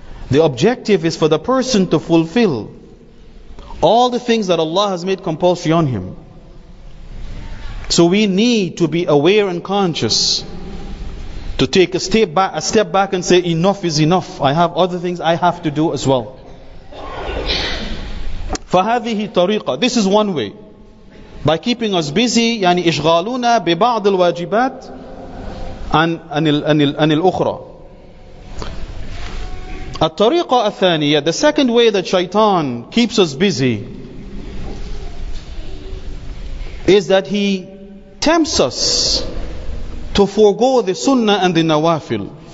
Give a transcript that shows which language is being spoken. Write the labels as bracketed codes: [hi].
[en] The objective is for the person to fulfill all the things that Allah has made compulsory on him. So we need to be aware and conscious to take a step back and say, enough is enough. I have other things I have to do as well. [ar] فَهَذِهِ طَرِيقًا. [en] This is one way. By keeping us busy, [ar] يعني إشغالونا ببعض الواجبات عن الأخرى. الطريقة الثانية, [en] the second way that shaitan keeps us busy is that he tempts us to forego the sunnah and the nawafil.